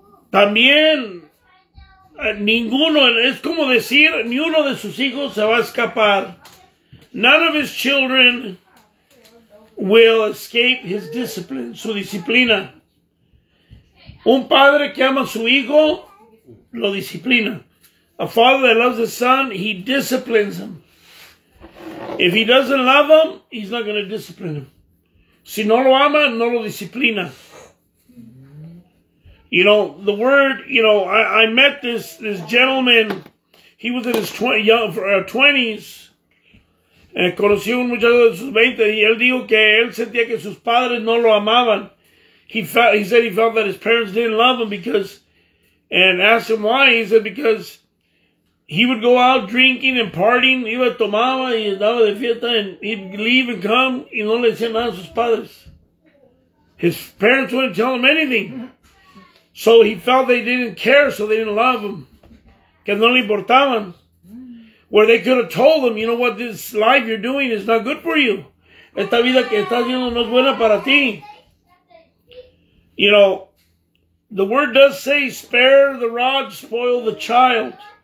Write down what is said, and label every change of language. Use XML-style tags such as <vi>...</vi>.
<es>También ninguno, es como decir, ni uno de sus hijos se va a escapar.</es> <en>None of his children will escape his discipline,</en> <es>su disciplina. Un padre que ama a su hijo, lo disciplina.</es> <en>A father that loves his son, he disciplines him. If he doesn't love him, he's not going to discipline him.</en> <es>Si no lo ama, no lo disciplina.</es> <en>You know, the word, you know, I met this gentleman. He was in his 20s.</en> <es>Conocí un muchacho de sus 20 y él dijo que él sentía que sus padres no lo amaban.</es> <en>He said he felt that his parents didn't love him because, and asked him why. He said because he would go out drinking and partying.</en> <es>Iba tomaba y andaba de fiesta</es> <en>and he'd leave and come</en> <es>y no le decía nada a sus padres.</es> <en>His parents wouldn't tell him anything. So he felt they didn't care, so they didn't love him.</en> <es>Que no le importaban.</es> <en>Where they could have told him, you know what, this life you're doing is not good for you.</en> <es>Esta vida que estás viendo no es buena para ti.</es> <en>You know, the word does say, spare the rod, spoil the child.</en>